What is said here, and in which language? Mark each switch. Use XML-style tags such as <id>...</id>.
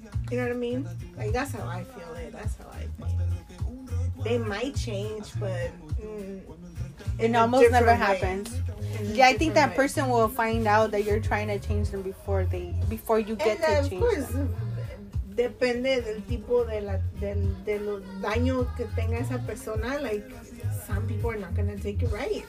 <en>You know what I mean? Like, that's how I feel it. That's how I think. They might change, but... it almost never happens. Yeah, I think that person will find out that you're trying to change them before they, before you get to change them. Of course,</en> <es>depende del tipo de la del daño que tenga esa persona.</es> <en>Like, some people are not gonna take it right.</en>